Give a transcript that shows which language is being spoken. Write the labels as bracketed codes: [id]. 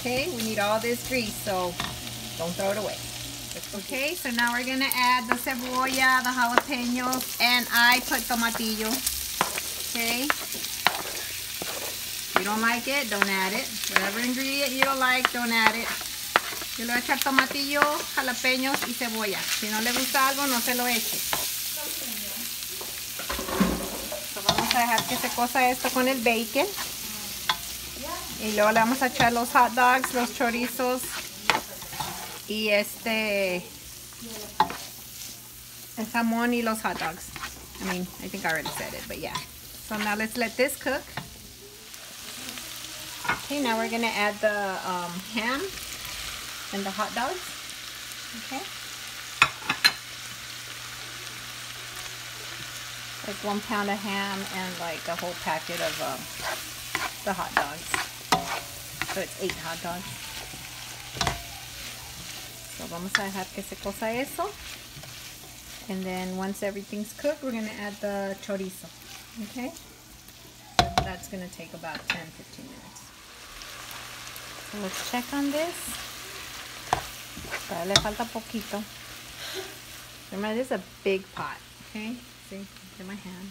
[en] Okay, we need all this grease, so don't throw it away. Okay, so now we're gonna add the cebolla, the jalapenos, and I put tomatillo. Okay, if you don't like it, don't add it. Whatever ingredient you don't like, don't add it. [es] Yo le voy a echar tomatillo, jalapenos, y cebolla. Si no le gusta algo, no se lo eche. So vamos a dejar que se cosa esto con el bacon. Y luego le vamos a echar los hot dogs, los chorizos y este, el jamón y los hot dogs. [en] I mean, I think I already said it, but yeah. So now let's let this cook. Okay, now we're gonna add the ham and the hot dogs. Okay. Like 1 pound of ham and like a whole packet of the hot dogs. So it's 8 hot dogs. [es] So vamos a dejar que se cosa eso. [en] And then once everything's cooked, we're going to add the chorizo. Okay? That's going to take about 10-15 minutes. So let's check on this. [es] Le falta poquito. [en] Remember, this is a big pot. Okay? See? Look at my hand.